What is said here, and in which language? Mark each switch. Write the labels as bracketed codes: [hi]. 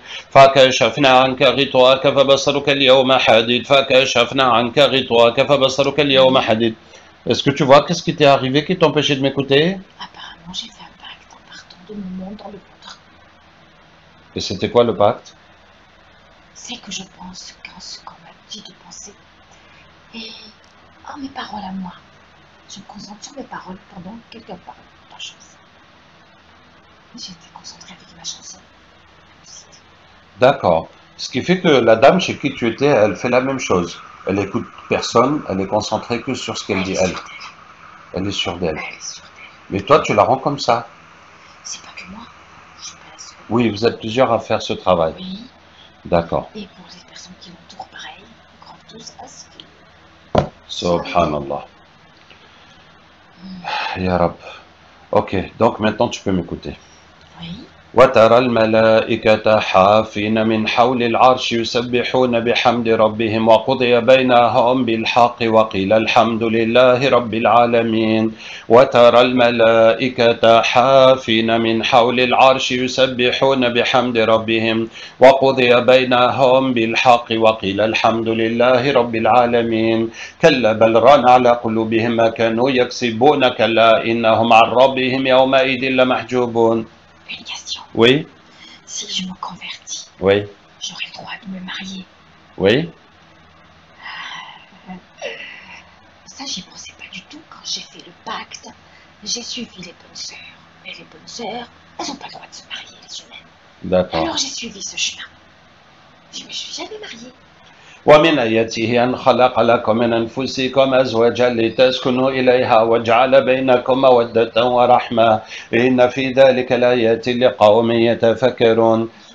[ar] فكشفنا عنك غطاءك فبصرك اليوم حديد. فكشفنا عنك غطاءك فبصرك اليوم حديد. [fr] Est-ce que tu vois qu'est-ce qui t'est arrivé qui t'empêchait de m'écouter? Apparemment, j'ai fait un pacte en partant de mon monde dans le vôtre. Et c'était quoi le pacte? C'est que je pense qu'en ce qu'on m'a dit de penser et en mes paroles à moi. Je me concentre sur mes paroles pendant que quelqu'un parle de ta chanson. J'étais concentrée avec ma chanson. D'accord. Ce qui fait que la dame chez qui tu étais, elle fait la même chose. Elle écoute personne, elle est concentrée que sur ce qu'elle elle dit, elle. Elle est sûre d'elle. Mais toi, tu la rends comme ça. C'est pas que moi. Je suis pas la seule. Oui, vous êtes plusieurs à faire ce travail. Oui. D'accord. Et pour les personnes qui l'entourent pareil, ils croient tous à ce que... [ar] Subhanallah. Ya Rab. [fr] Ok, donc maintenant tu peux m'écouter. Oui. [ar] وترى الملائكة حافين من حول العرش يسبحون بحمد ربهم وقضي بينهم بالحق وقيل الحمد لله رب العالمين. وترى الملائكة حافين من حول العرش يسبحون بحمد ربهم وقضي بينهم بالحق وقيل الحمد لله رب العالمين. كلا بل ران على قلوبهم ما كانوا يكسبون كلا إنهم عن ربهم يومئذ لمحجوبون. [fr] Une question. Oui. Si je me convertis, oui. J'aurai le droit de me marier. Oui. Ça, j'y pensais pas du tout quand j'ai fait le pacte. J'ai suivi les bonnes sœurs. Mais les bonnes sœurs, elles n'ont pas le droit de se marier, les humaines. D'accord. Alors j'ai suivi ce chemin. Je ne me suis jamais mariée. [ar] ومن آياته أن خلق لكم من أنفسكم أزواجا لتسكنوا إليها وجعل بينكم مودة ورحمة إن في ذلك لآيات لقوم يتفكرون.